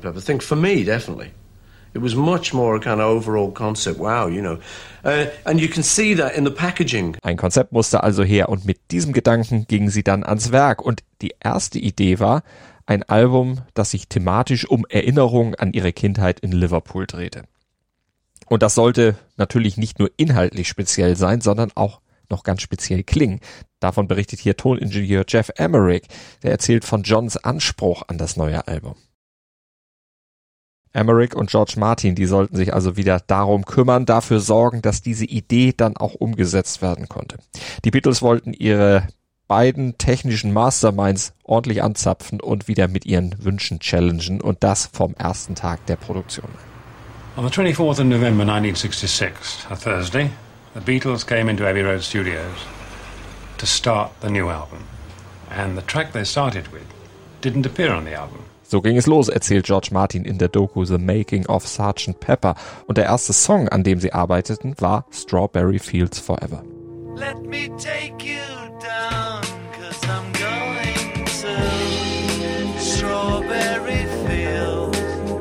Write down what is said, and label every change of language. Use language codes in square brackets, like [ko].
[en] Pepper thing, for me, definitely. It was much more a kind of overall concept. Wow, you know. And you can see that in the packaging. [de] Ein Konzept musste also her und mit diesem Gedanken gingen sie dann ans Werk. Und die erste Idee war, ein Album, das sich thematisch um Erinnerungen an ihre Kindheit in Liverpool drehte. Und das sollte natürlich nicht nur inhaltlich speziell sein, sondern auch noch ganz speziell klingen. Davon berichtet hier Toningenieur Jeff Emerick. Der erzählt von Johns Anspruch an das neue Album. Emerick und George Martin, die sollten sich also wieder darum kümmern, dafür sorgen, dass diese Idee dann auch umgesetzt werden konnte. Die Beatles wollten ihre beiden technischen Masterminds ordentlich anzapfen und wieder mit ihren Wünschen challengen und das vom ersten Tag der Produktion. [en] On the 24th of November 1966, a Thursday, the Beatles came into Abbey Road Studios to start the new album. And the track they started with didn't appear on the album. [de] So ging es los, erzählt George Martin in der Doku The Making of Sgt. Pepper. Und der erste Song, an dem sie arbeiteten, war Strawberry Fields Forever. [en] Let me take you down, 'cause I'm going to Strawberry Fields.